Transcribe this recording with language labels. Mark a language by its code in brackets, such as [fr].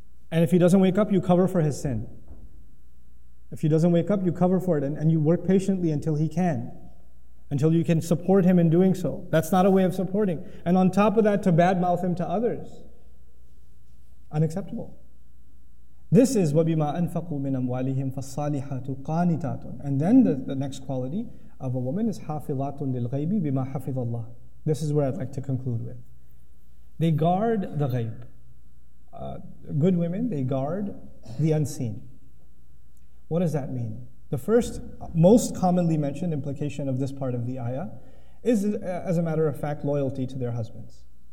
[en] And if he doesn't wake up, you cover for his sin. If he doesn't wake up, you cover for it, and you work patiently until he can. Until you can support him in doing so. That's not a way of supporting. And on top of that, to badmouth him to others. Unacceptable. This is [ar] وَبِمَا أَنْفَقُوا مِنْ أَمْوَالِهِمْ فَالصَّالِحَاتُ قَانِتَاتٌ. [en] And then the next quality of a woman is [ar] حَافِظَاتٌ لِلْغَيْبِ بِمَا حَفِظَ اللَّهُ. [en] This is where I'd like to conclude with. They guard the ghayb. Good women, they guard the unseen. What does that mean? The first, most commonly mentioned implication of this part of the ayah is, as a matter of fact, loyalty to their husbands.